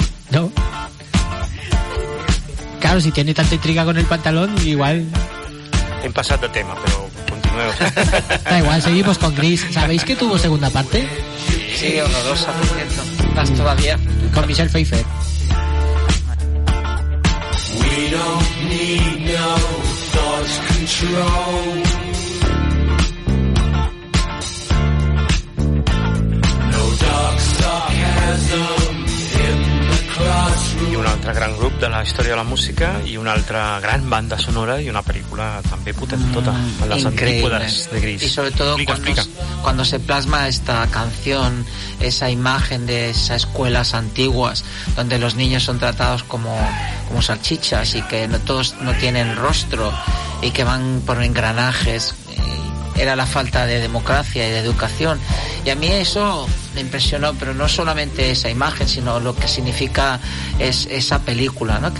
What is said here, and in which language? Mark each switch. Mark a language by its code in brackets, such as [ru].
[es] No. Claro, si tiene tanta intriga con el pantalón, igual. He pasado de tema, pero continuemos. Da igual, seguimos con Gris. ¿Sabéis que tuvo segunda parte? Sí, horrorosa, por cierto. Más todavía. Con Michelle Pfeiffer. [en] We don't need no thought control. No dark sarcasm in the classroom. [ca] I un altre gran grup de la història de la música i una altra gran banda sonora i una pel·lícula també potent tota, en les antípodes de Gris. I sobretot quan [es] se plasma esta canción, esa imagen de esas escuelas antiguas donde los niños son tratados como salchichas y que no todos no tienen rostro y que van por engranajes, era la falta de democracia y de educación, y a mí eso me impresionó, pero no solamente esa imagen sino lo que significa es esa película, ¿no?